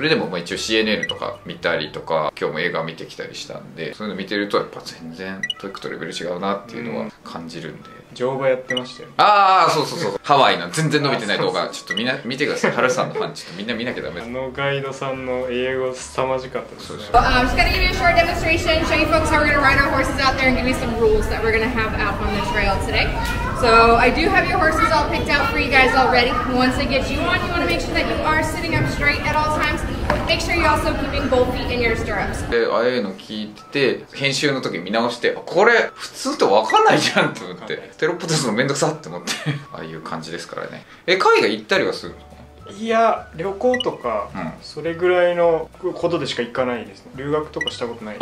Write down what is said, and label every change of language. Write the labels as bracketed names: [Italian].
[Japanese] それでもまあ一応 CNN とか見たりとか、今日も映画見てきたりしたんで、そういうの見てるとやっぱ全然トイックとレベル違うなっていうのは感じるんで。乗馬やってましたよ、ね、ああそうそうそうハワイの全然伸びてない動画、そうそうそう、ちょっとみんな見てください。ハルさんのファンちょっとみんな見なきゃダメ。あのガイドさんの英語凄まじかったですね。そうそう、 [English] I'm just gonna give you a short demonstration, show you folks how we're gonna ride our horses out there and give you some rules that we're gonna have out on the trail today. So I do have your horses all picked out for you guys already. Once I get you on, you wanna make sure that you are sitting up straight at all times. Make sure you're also keeping both feet in your stirrups. [Japanese] で、ああいうの聞いてて、編集の時見直して、これ普通と分かんないじゃんと思って、テロップ出すのめんどくさって思ってああいう感じですからね。え、海外行ったりはするの？いや、旅行とか、うん、それぐらいのことでしか行かないですね。留学とかしたことないです。